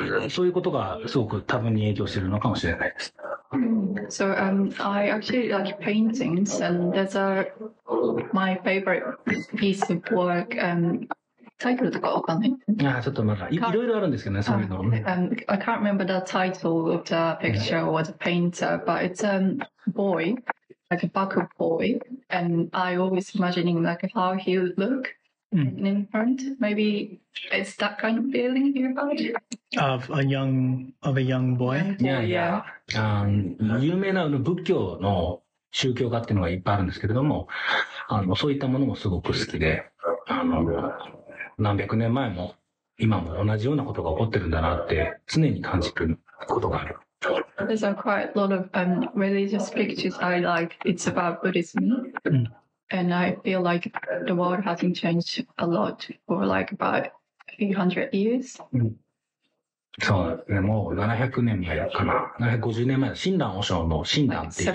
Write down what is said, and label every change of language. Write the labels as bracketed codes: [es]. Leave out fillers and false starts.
[ja] そういうことがすごく多分に影響しているのかもしれないです。 [en] So, I actually like paintings, and that's my favorite piece of work. [ja] タイトルとかわかんない。ちょっとまだ いろいろあるんですけどね、そういうの。 [en] I can't remember the title of the picture or the painter, but it's a boy, like a buck boy, and I always imagining like how he would look、in front. Maybe it's that kind of feeling you had? Of a young boy? Yeah. [ja] 有名な仏教の宗教画っていうのがいっぱいあるんですけれども、そういったものもすごく好きで、何百年前も今も同じようなことが起こってるんだなって常に感じることがある。 [en] There's a quite lot of religious pictures I like. It's about Buddhism. And I feel like the world hasn't changed a lot for like about 800 years. [ja] そうね、もう700年前かな。 750年前の親鸞和尚の親鸞っていう。